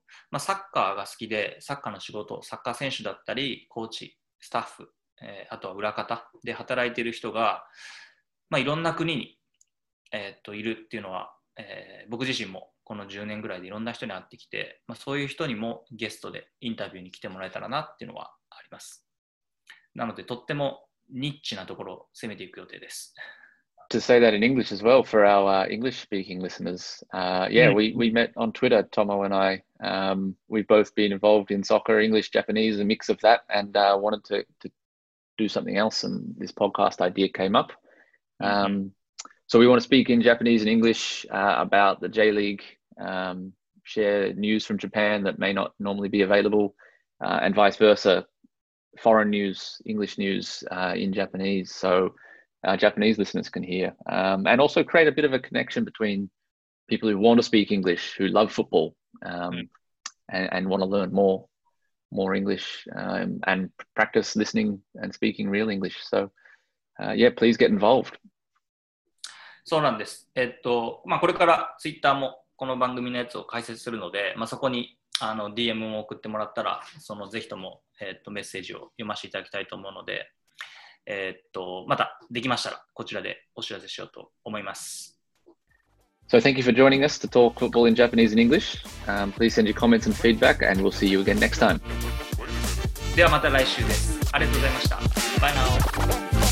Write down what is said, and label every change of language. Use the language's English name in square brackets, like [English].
[Japanese] まあ、サッカーが好きで、サッカーの仕事、サッカー選手だったりコーチ、スタッフ、あとは裏方で働いている人が、まあ、いろんな国に、いるっていうのは、僕自身もこの10年ぐらいでいろんな人に会ってきて、まあ、そういう人にもゲストでインタビューに来てもらえたらなっていうのはあります。なのでとってもニッチなところを攻めていく予定です。 [English] To say that in English as well for our English-speaking listeners. We met on Twitter, Tomo and I. We've both been involved in soccer, English, Japanese, a mix of that, and wanted to do something else, and this podcast idea came up. So we want to speak in Japanese and English about the J-League, share news from Japan that may not normally be available, and vice versa, foreign news, English news in Japanese. So our Japanese listeners can hear, and also create a bit of a connection between people who want to speak English, who love football, and want to learn more English, and practice listening and speaking real English. So, please get involved. [Japanese] そうなんです。まあ、これから Twitter もこの番組のやつを解説するので、まあ、そこにDM を送ってもらったら、そのぜひとも、メッセージを読ませていただきたいと思うので、またできましたらこちらでお知らせしようと思います。 [English] So thank you for joining us to talk football in Japanese and English. Please send your comments and feedback, and we'll see you again next time. [Japanese] ではまた来週です。ありがとうございました。 [English] Bye now.